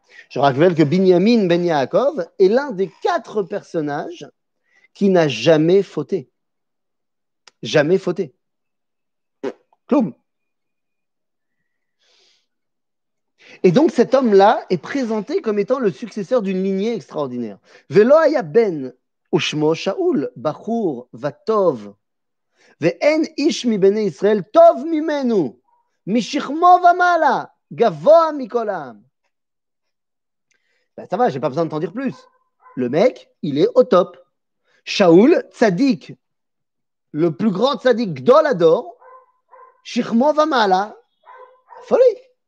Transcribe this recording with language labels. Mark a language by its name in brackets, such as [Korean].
[French] Je rappelle que Binyamin ben Yaakov est l'un des quatre personnages qui n'a jamais fauté. Jamais fauté. Cloum. Et donc cet homme-là est présenté comme étant le successeur d'une lignée extraordinaire. [Hebrew] Velo haya ben ushmo Shaoul, bachur vatov. ואין איש מבני ישראל טוב ממנו, משכמו ומעלה, גבוה מכל העם. [French] Ça va, j'ai pas besoin de t'en dire plus. Le mec, il est au top. Shaoul, tzadik, le plus grand tzadik, Gdol Hador, [Hebrew] שכמו ומעלה, [French] folie.